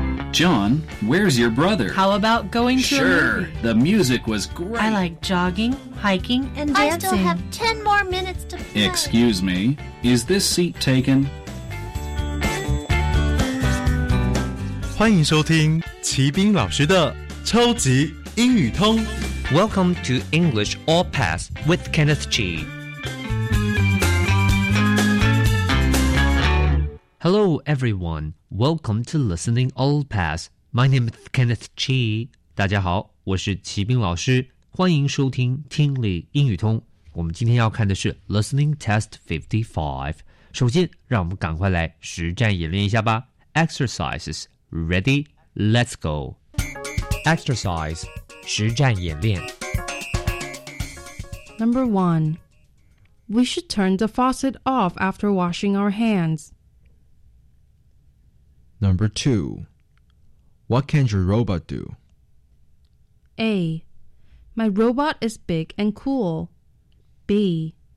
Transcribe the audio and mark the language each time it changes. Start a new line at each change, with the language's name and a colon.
English: John, where's your brother? How about going to a movie? Sure, the music was great. I like jogging, hiking, and dancing. I still have 10 more minutes to play. Excuse me, is this seat taken?
Chinese: 欢迎收听齐宾老师的超级英语通。
English: Welcome to English All Pass with Kenneth Chi. Hello, everyone. Welcome to Listening All Pass. My name is Kenneth Chi.
Chinese: 大家好，我是齐宾老师。欢迎收听听力英语通。我们今天要看的是 Listening Test 55. 首先，让我们赶快来实战演练一下吧。
English: Exercises. Ready? Let's go.
Chinese: Exercise, 实战演练
English: Number 1. We should turn the faucet off after washing our hands. Number 2. What can your robot do? A. My robot is big and cool. B.